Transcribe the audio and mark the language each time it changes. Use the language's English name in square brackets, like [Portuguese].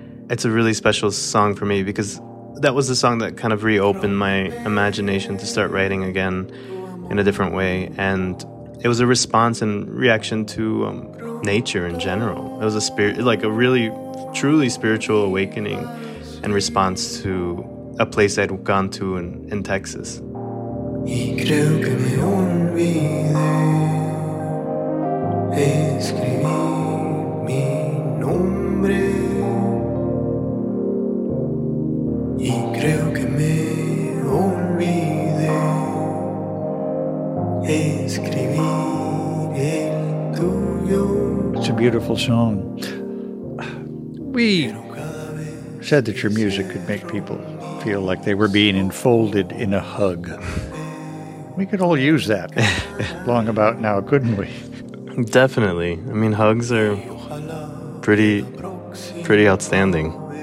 [English] It's a really special song for me because that was the song that kind of reopened my imagination to start writing again in a different way. And it was a response and reaction to nature in general. It was a really, truly spiritual awakening and response to a place I'd gone to in Texas. [Spanish] Y creo que me olvidé escribir mi nombre. Y creo que me olvidé escribir el tuyo. [English] It's a beautiful song. We said that your music could make people feel like they were being enfolded in a hug. We could all use that long about now, couldn't we? Definitely. I mean, hugs are pretty, pretty outstanding.